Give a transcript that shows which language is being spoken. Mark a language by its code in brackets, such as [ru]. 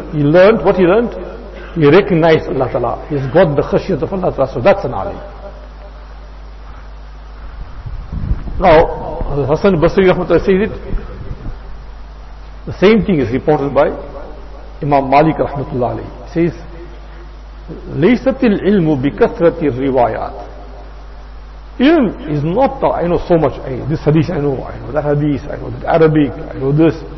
[en] He learned, what he learned? He recognized Allah Ta'ala. He's got the khashiyat of Allah Ta'ala. So that's an alim. Now, Hasan Basri Rahmatullah says it. The same thing is reported by Imam Malik Rahmatullah Alayhi. He says, [ar] لَيْسَتِ الْعِلْمُ بِكَثْرَةِ الرِّوَايَاتِ. [en] Ilm is not the, I know so much, hey, this hadith I know that hadith, I know that Arabic, I know this.